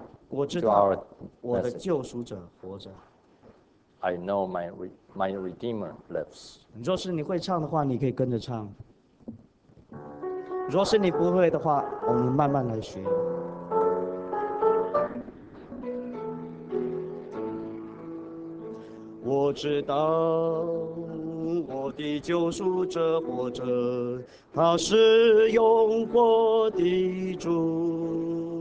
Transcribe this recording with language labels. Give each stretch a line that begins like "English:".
Chinese: 我知道我的救赎者活着。
English: I know my Redeemer lives.
Chinese: 若是你会唱的话，你可以跟着唱。若是你不会的话，我们慢慢来学。我知道我的救赎者活着，他是永活的主。